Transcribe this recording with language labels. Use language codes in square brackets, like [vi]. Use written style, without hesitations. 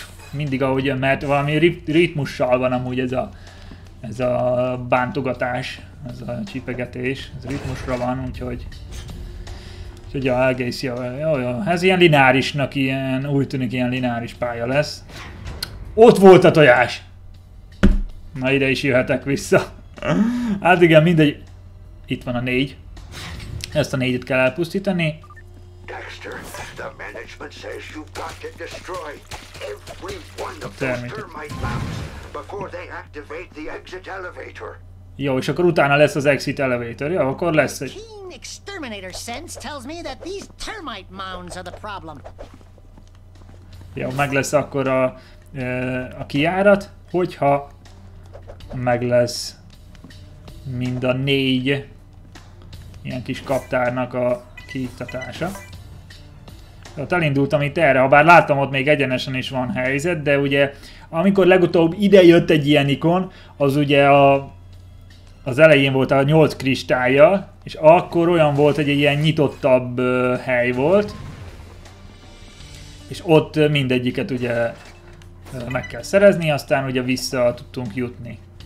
[hu] Mindig ahogy jön, mert valami ritmussal van amúgy ez a bántogatás, ez a csipegetés, ez ritmusra van, úgyhogy egész jó, ez ilyen lineárisnak, ilyen, úgy tűnik ilyen lineáris pálya lesz. Ott volt a tojás! Na ide is jöhetek vissza. Hát igen, mindegy, itt van a 4. Ezt a 4-et kell elpusztítani. [en] Dexter, the management says you've got to destroy every one of those termite mounds before they activate the exit elevator. [hu] Jó, és akkor utána lesz az exit elevator. Jó, akkor lesz egy... [en] Keen exterminator sense tells me that these termite mounds are the problem. [hu] Jó, meg lesz akkor a kijárat, hogyha meg lesz mind a 4 ilyen kis kaptárnak a kiiktatása. Tehát elindultam itt erre, habár láttam, ott még egyenesen is van helyzet, de ugye amikor legutóbb ide jött egy ilyen ikon, az ugye az elején volt a 8 kristálya, és akkor olyan volt, hogy egy ilyen nyitottabb hely volt, és ott mindegyiket ugye meg kell szerezni, aztán ugye vissza tudtunk jutni.